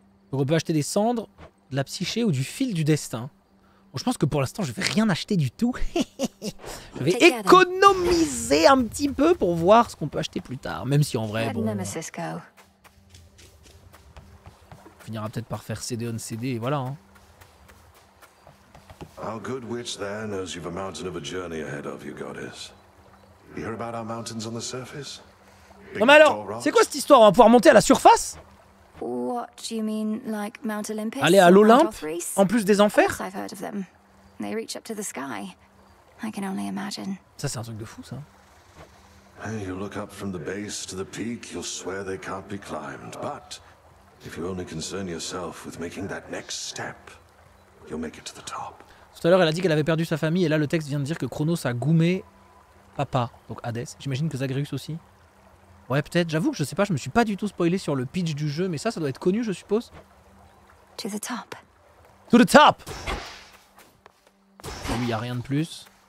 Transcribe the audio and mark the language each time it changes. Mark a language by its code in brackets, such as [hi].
[fr] On peut acheter des cendres, de la psyché ou du fil du destin. Bon, je pense que pour l'instant, je vais rien acheter du tout. Je vais économiser un petit peu pour voir ce qu'on peut acheter plus tard. Même si en vrai, bon... On finira peut-être par faire CD on CD, et voilà. [en] Our good witch there knows you've a mountain of a journey ahead of you, goddess. You hear about our mountains on the surface? [fr] Non mais alors, c'est quoi cette histoire? On va pouvoir monter à la surface? [en] What do you mean, like Mount Olympus? [fr] Aller à l'Olympe, en plus des enfers? [en] I've heard of them. They reach up to the sky. I can only imagine. [fr] Ça c'est un truc de fou, ça. [en] Hey, you look up from the base to the peak, you'll swear they can't be climbed. But if you only concern yourself with making that next step, you'll make it to the top. [fr] Tout à l'heure, elle a dit qu'elle avait perdu sa famille, et là le texte vient de dire que Kronos a goumé papa, donc Hadès. J'imagine que Zagreus aussi. Ouais, peut-être, j'avoue que je sais pas, je me suis pas du tout spoilé sur le pitch du jeu, mais ça, ça doit être connu, je suppose. [en] To the top. To the top! [fr] Oui, y a rien de plus.